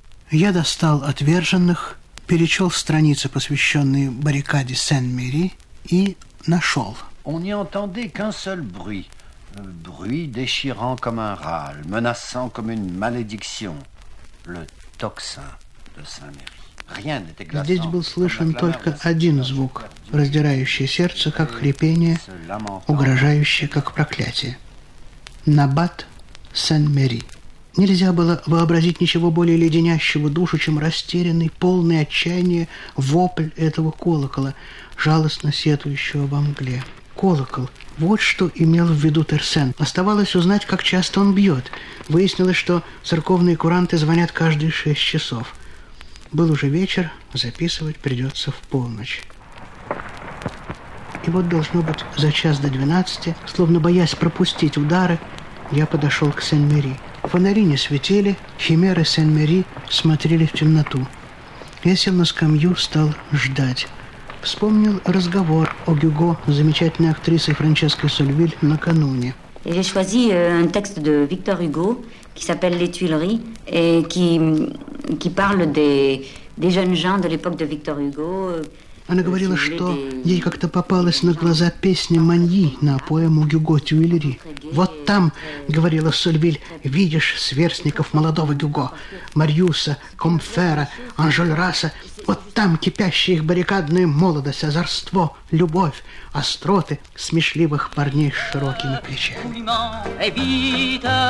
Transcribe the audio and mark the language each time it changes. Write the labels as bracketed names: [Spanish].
[Russian] Я достал «Отверженных», перечел страницы, посвященные баррикаде Сен-Мири, и нашел. [French] On n'y entendait qu'un seul bruit. Bruit déchirant comme un râle, menaçant comme une malédiction. Le tocsin de Сен-Мири. [Russian] Здесь был слышен только один звук, раздирающий сердце, как хрипение, угрожающий, как проклятие. Набат Сен-Мери. Нельзя было вообразить ничего более леденящего душу, чем растерянный, полный отчаяния вопль этого колокола, жалостно сетующего во мгле. Колокол. Вот что имел в виду Терсен. Оставалось узнать, как часто он бьет. Выяснилось, что церковные куранты звонят каждые 6 часов. Был уже вечер, записывать придется в полночь. И вот, должно быть, за 11:45, словно боясь пропустить удары, я подошел к Сен-Мери. Фонари не светили, химеры Сен-Мери смотрели в темноту. Я сел на скамью, стал ждать. Вспомнил разговор о Гюго с замечательной актрисой Франческой Сольвиль накануне. [French] J'ai choisi un texte de Victor Hugo qui s'appelle Les Tuileries et qui parle des jeunes gens de l'époque de Victor Hugo. [Russian] Она говорила, что ей как-то попалась на глаза песня Маньи на поэму Гюго «Тюильри». «Вот там, — говорила Сольвиль, — видишь сверстников молодого Гюго, Мариуса, Комфера, Анжольраса, вот там кипящая их баррикадная молодость, озорство, любовь, остроты смешливых парней с широкими плечами».